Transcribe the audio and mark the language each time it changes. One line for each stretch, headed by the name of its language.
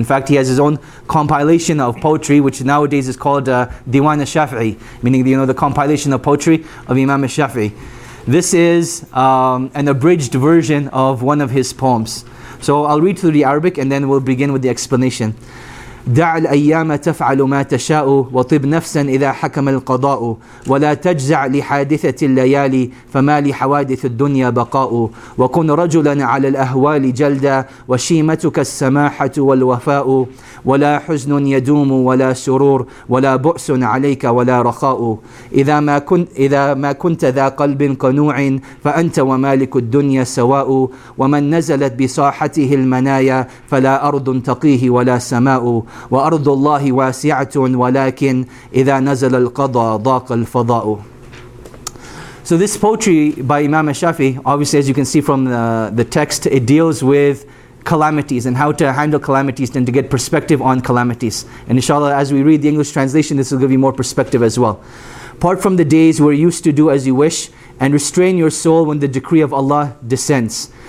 English: In fact, he has his own compilation of poetry, which nowadays is called Diwan al-Shafi'i, meaning, you know, the compilation of poetry of Imam al-Shafi'i. This is an abridged version of one of his poems. So I'll read through the Arabic and then we'll begin with the explanation.
Arabic: دع الأيام تفعل ما تشاء وطب نفسا إذا حكم القضاء ولا تجزع لحادثة الليالي فما لحوادث الدنيا بقاء وكن رجلا على الأهوال جلدا وشيمتك السماحة والوفاء ولا حزن يدوم ولا سرور ولا بؤس عليك ولا رخاء إذا ما كنت ذا قلب قنوع فأنت ومالك الدنيا سواء ومن نزلت بصاحته المنايا فلا أرض تقيه ولا سماء وأرض الله واسعة ولكن إذا نزل القضاء ضاق الفضاء.
English: So this poetry by Imam al-Shafi, obviously as you can see from the text, it deals with calamities and how to handle calamities and to get perspective on calamities. And inshallah, as we read the English translation, this will give you more perspective as well. Part from the days where you used to do as you wish and restrain your soul when the decree of Allah descends.